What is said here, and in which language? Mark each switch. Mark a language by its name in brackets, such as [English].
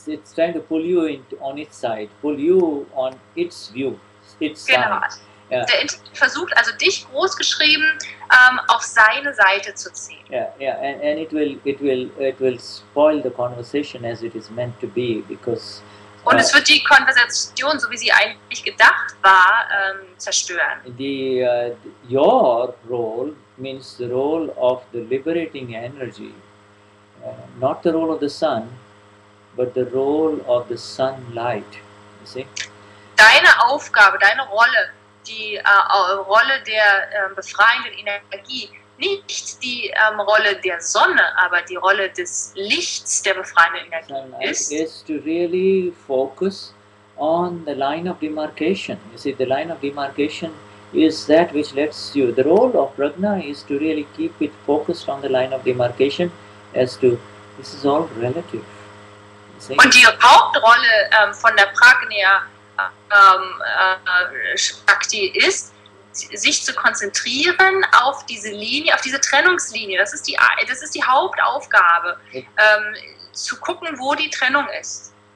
[English] It's trying to pull you on its side, pull you on its view, its side. [German] Genau. [English] Yeah. [German] Der Intellekt versucht also dich groß geschrieben auf seine Seite zu ziehen. [English] And it will spoil the conversation as it is meant to be, because [German] und es wird die Konversation, so wie sie eigentlich gedacht war, zerstören. [English] Your role means the role of the liberating energy, not the role of the sun, but the role of the sunlight. You see? [German] Deine Aufgabe, deine Rolle, die Rolle der befreienden Energie, nicht die Rolle der Sonne, aber die Rolle des Lichts der befreienden Energie ist [English] to really focus on the line of demarcation. You see, the line of demarcation is that which lets you, the role of Prajna is to really keep it focused on the line of demarcation as to, this is all relative. [German] Und die Hauptrolle von der Prajna Shakti ist, sich zu konzentrieren auf diese Linie, auf diese Trennungslinie. Das ist die Hauptaufgabe, zu gucken, wo die Trennung ist.